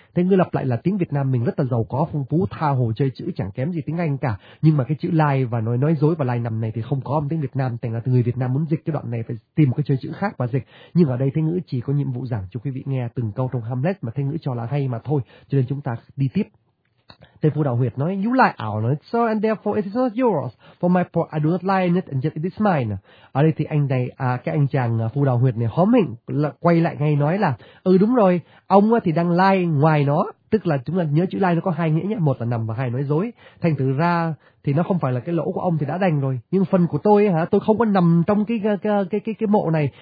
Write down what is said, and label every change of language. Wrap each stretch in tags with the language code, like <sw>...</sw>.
<vi>Thế ngữ lặp lại là tiếng Việt Nam mình rất là giàu có phong phú, tha hồ chơi chữ chẳng kém gì tiếng Anh cả. Nhưng mà cái chữ lie và nói dối và lie nằm này thì không có trong tiếng Việt Nam, thành là người Việt Nam muốn dịch cái đoạn này phải tìm một cái chơi chữ khác và dịch. Nhưng ở đây thế ngữ chỉ có nhiệm vụ giảng cho quý vị nghe từng câu trong Hamlet mà thế ngữ cho là hay mà thôi. Cho nên chúng ta đi tiếp. Tên phu đạo huyệt nói,</vi> <en>you lie out on it, so and therefore it is not yours. For my part, I do not lie in it, and yet it is mine.</en> <vi>Ở đây thì anh này, cái anh chàng phu đạo huyệt này hóm hình, quay lại ngay nói là, ừ đúng rồi, ông thì đang lie ngoài nó. Tức là chúng ta nhớ chữ lie nó có hai nghĩa nhé, một là nằm và hai nói dối. Thành thử ra thì nó không phải là cái lỗ của ông thì đã đành rồi. Nhưng phần của tôi hả, tôi không có nằm trong cái mộ này.</vi>